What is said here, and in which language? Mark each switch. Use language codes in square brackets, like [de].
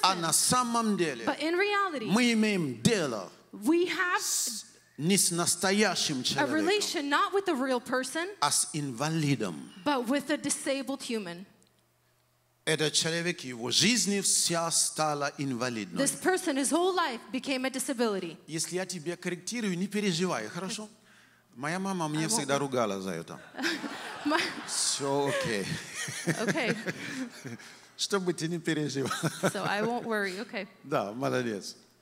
[ru] А на самом деле. [en] But in reality. [ru] Мы имеем дело. [en] We have. [ru] Не с настоящим человеком. [en] A relation not with a real person. [ru] А с инвалидом. [en] But with a disabled human. [ru] Этот человек, его жизнь вся стала инвалидной. [en] This person, his whole life became a disability. [ru] Если я тебя корректирую, не переживай, хорошо? Моя мама меня всегда ругала за это. Все окей. Окей. Чтобы ты не переживал. [en] So I won't worry, okay. [ru] Да, молодец.